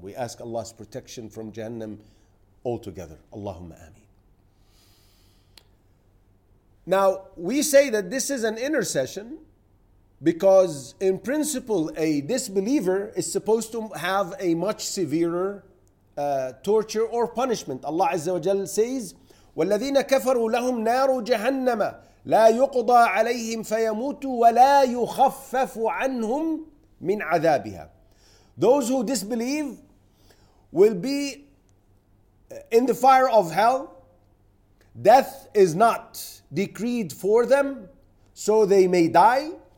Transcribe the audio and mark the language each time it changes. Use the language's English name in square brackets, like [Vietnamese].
[English] We ask Allah's protection from Jahannam altogether. Allahumma ameen. Now, we say that this is an intercession, because in principle, a disbeliever is supposed to have a much severer torture or punishment. Allah Azza wa Jalla says, [Arabic] وَالَّذِينَ كَفَرُوا لَهُمْ نَارُ جَهَنَّمَ لَا يُقْضَى عَلَيْهِمْ فَيَمُوتُوا وَلَا يُخَفَّفُ عَنْهُمْ مِنْ عَذَابِهَا. [English] Those who disbelieve will be in the fire of hell. Death is not decreed for them, so they may die.